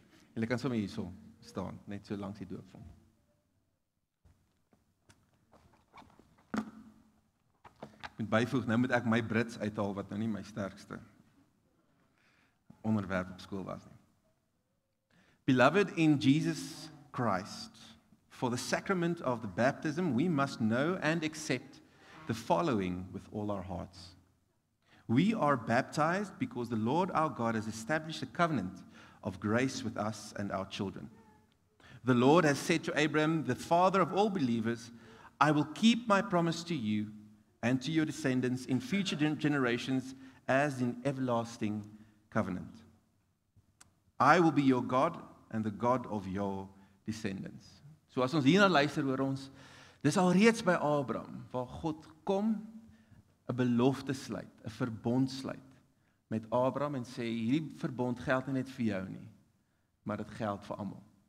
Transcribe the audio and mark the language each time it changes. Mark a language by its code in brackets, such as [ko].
[af] Julle kan sommer hier so staan, net so langs die doop van. Moet bijvoeg, nou moet ek my Brits uithaal, wat nou nie my sterkste onderwerp op school was nie. [en] Beloved in Jesus Christ, for the sacrament of the baptism, we must know and accept the following with all our hearts. We are baptized because the Lord our God has established a covenant of grace with us and our children. The Lord has said to Abraham, the father of all believers, I will keep my promise to you, and to your descendants in future generations as in everlasting covenant. I will be your God and the God of your descendants. [af] So as ons hierna luister oor ons, dis al reeds by Abraham, waar God kom, 'n belofte sluit, 'n verbond sluit met Abraham en sê, hierdie verbond geld nie net vir jou nie, maar het geld vir allemaal.